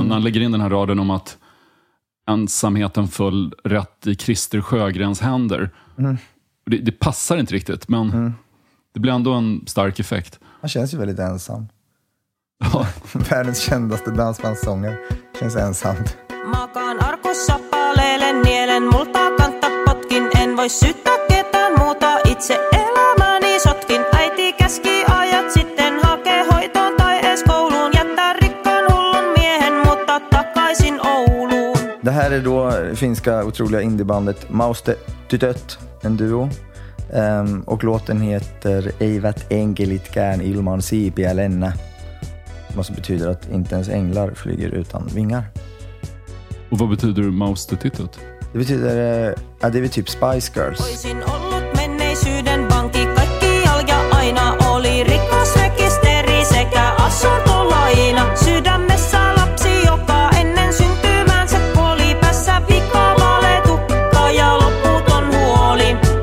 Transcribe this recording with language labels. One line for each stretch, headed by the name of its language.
Swedish: Mm. När han lägger in den här raden om att ensamheten föll rätt i Christer Sjögrens händer. Mm. Det passar inte riktigt. Men det blir ändå en stark effekt. Man känns ju väldigt ensam. Ja. Världens kändaste dansbandssånger känns ensamt.
Finnish: Makaan arkussa, paleelen, nielen, multaa kantta potkin. En voi syyttää ketään muuta, itse elämäni sotkin. Äiti käski ajat sitten hakee hoitoon tai ees kouluun. Jättää rikkaan hullun miehen, mutta takaisin Ouluun.
Swedish: Det här är då finska otroliga indiebandet Mauste Tytöt, en duo. Och låten heter Eivät enkelit kään ilman siipiä lennä. Som betyder att inte ens änglar flyger utan vingar. Och vad betyder Mauste Tytöt? Det betyder det är typ Spice Girls.
Finnish: Oisin ollut menneisyyden pankki, kaikki jalja aina oli rikosrekisteri sekä asuntolaina. Sydämessä lapsi, joka ennen syntymäänsä kuoli, päässä vika, valetukka ja lopputon huoli.